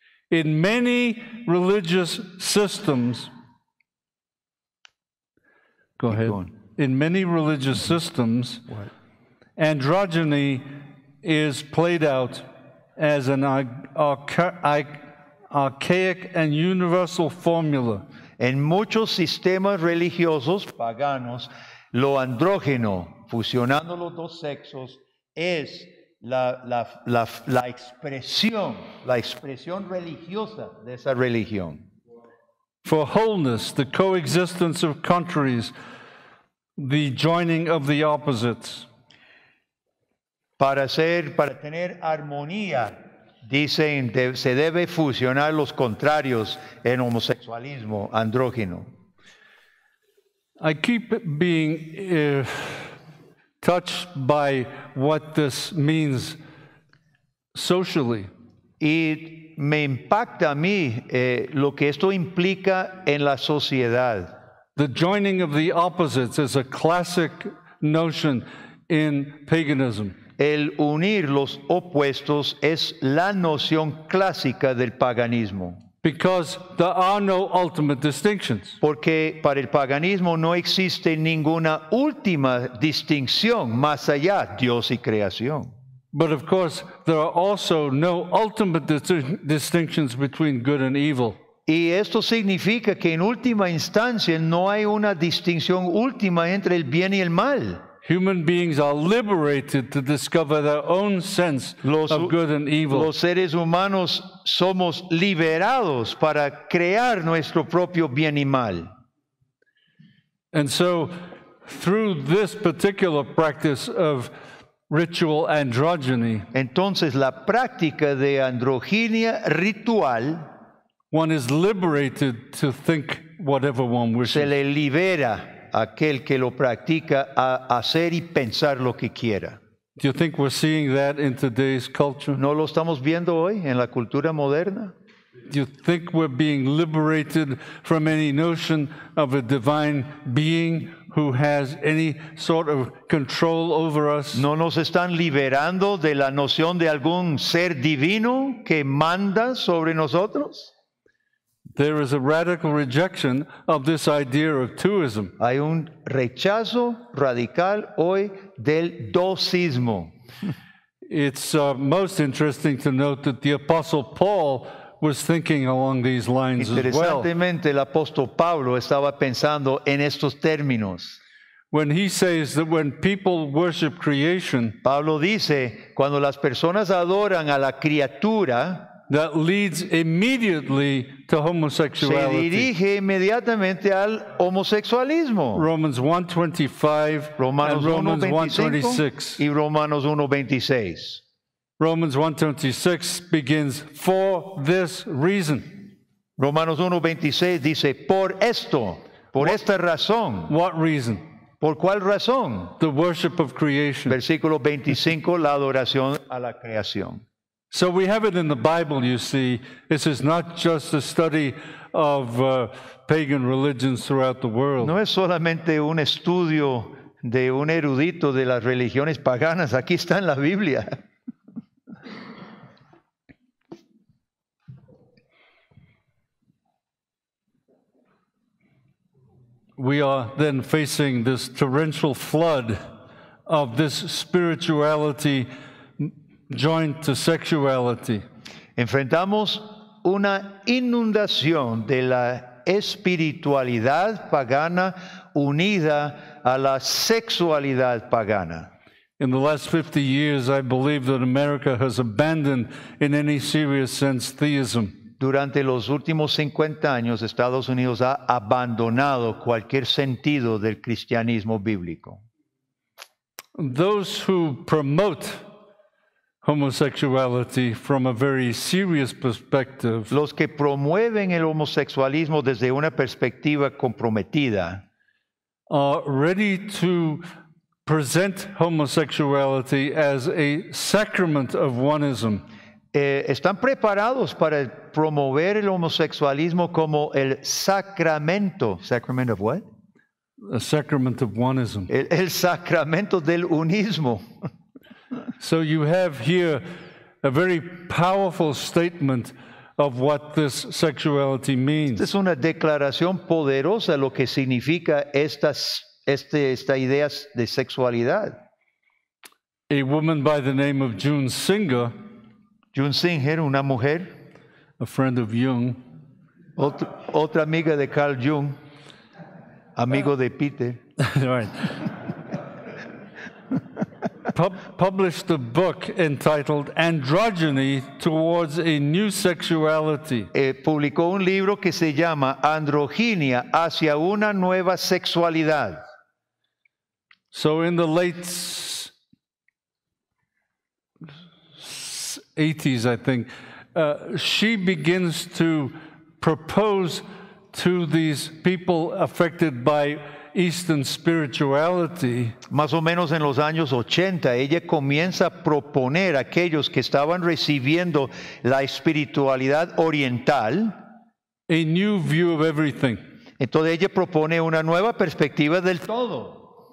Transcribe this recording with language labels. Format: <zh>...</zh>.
<en>In many religious systems, in many religious systems, androgyny is played out as an archaic and universal formula.</en> <es>En muchos sistemas religiosos paganos, lo andrógeno, fusionando los dos sexos, es la expresión religiosa de esa religión.</es> <en>For wholeness, the coexistence of contraries, the joining of the opposites.</en> <es>Para tener armonía, dicen, se debe fusionar los contrarios en homosexualismo andrógino.</es> <en>I keep being touched by what this means socially.</en> <es>Y me impacta a mí lo que esto implica en la sociedad.</es> <en>The joining of the opposites is a classic notion in paganism.</en> <es>El unir los opuestos es la noción clásica del paganismo.</es> <en>Because there are no ultimate distinctions.</en> <es>Porque para el paganismo no existe ninguna última distinción más allá de Dios y creación.</es> <en>But of course, there are also no ultimate distinctions between good and evil.</en> <es>Y esto significa que en última instancia no hay una distinción última entre el bien y el mal.</es> <en>Human beings are liberated to discover their own sense of good and evil.</en> <es>Los seres humanos somos liberados para crear nuestro propio bien y mal.</es> <en>And so, through this particular practice of ritual androgyny,</en> <es>entonces la práctica de androginia ritual,</es> <en>one is liberated to think whatever one wishes.</en> <es>Se le libera aquel que lo practica a hacer y pensar lo que quiera.</es> <en>Do you think we're seeing that in today's culture?</en> <es>¿No lo estamos viendo hoy en la cultura moderna?</es> <en>Do you think we're being liberated from any notion of a divine being who has any sort of control over us?</en> <es>¿No nos están liberando de la noción de algún ser divino que manda sobre nosotros?</es> <en>There is a radical rejection of this idea of twoism.</en> <es>Hay un rechazo radical hoy del dosismo.</es> <en>It's most interesting to note that the Apostle Paul was thinking along these lines as well.</en> <es>Interesantemente, el apóstol Pablo estaba pensando en estos términos.</es> <en>When he says that when people worship creation,</en> <es>Pablo dice, cuando las personas adoran a la criatura,</es> <en>that leads immediately to homosexuality.</en> <es>Se dirige inmediatamente al homosexualismo.</es> <en>Romans 1:25,</en> <es>Romanos 1:26.</es> <en>Romans 1:26 begins for this reason.</en> <es>Romanos 1:26 dice por esto, por esta razón.</es> <en>What reason?</en> <es>¿Por cuál razón?</es> <en>The worship of creation.</en> <es>Versículo 25, la adoración a la creación.</es> <en>So we have it in the Bible, you see. This is not just a study of pagan religions throughout the world.</en> <es>No es solamente un estudio de un erudito de las religiones paganas. Aquí está en la Biblia.</es> <en>We are then facing this torrential flood of this spirituality joined to sexuality.</en> <es>Enfrentamos una inundación de la espiritualidad pagana unida a la sexualidad pagana.</es> <en>In the last 50 years, I believe that America has abandoned in any serious sense theism.</en> <es>Durante los últimos 50 años, Estados Unidos ha abandonado cualquier sentido del cristianismo bíblico.</es> <en>those who promote homosexuality from a very serious perspective,</en> <es>los que promueven el homosexualismo desde una perspectiva comprometida,</es> <en>are ready to present homosexuality as a sacrament of oneism.</en> <es>Están preparados para promover el homosexualismo como el sacramento.</es> <en>Sacrament of what? A sacrament of oneism.</en> <es>El sacramento del unismo.</es> <en>So you have here a very powerful statement of what this sexuality means.</en> <es>Es una declaración poderosa lo que significa esta idea de sexualidad.</es> <en>A woman by the name of June Singer.</en> <es>June Singer, una mujer.</es> <en>A friend of Jung.</en> <es>Otra amiga de Carl Jung. Amigo de Peter.</es> <en>Right. Published a book entitled Androgyny Towards a New Sexuality.</en> <es>Publicó un libro que se llama Androginia hacia una nueva sexualidad.</es> <en>So in the late 80s, I think, she begins to propose to these people affected by Eastern spirituality.</en> <es>Más o menos en los años 80, ella comienza a proponer a aquellos que estaban recibiendo la espiritualidad oriental</es> <en>a new view of everything.</en> <es>Entonces ella propone una nueva perspectiva del todo.</es>